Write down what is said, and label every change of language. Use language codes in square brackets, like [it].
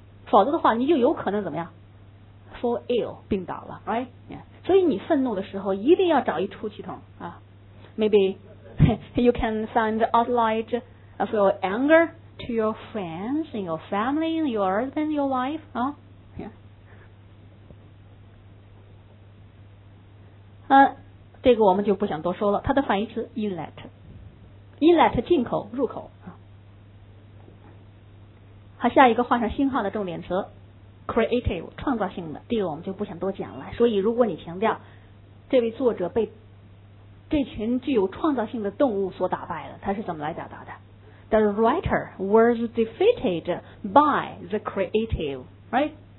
[zh] 否则的话你就有可能怎么样 [en] Fall ill, [zh] 病倒了 right?、 [en] Yeah. [zh] 所以你愤怒的时候一定要找一出气筒、 [en] Maybe you can find outlet for your angerTo your friends, and your family, and your husband, your wife, huh? Yeah. [zh] 这个我们就不想多说了。它的反义词 inlet, inlet 进口、入口。好，下一个画上星号的重点词 creative 创造性的，这个我们就不想多讲了。所以，如果你强调这位作者被这群具有创造性的动物所打败了，他是怎么来表达的？ [en] The writer was defeated by the creative, right?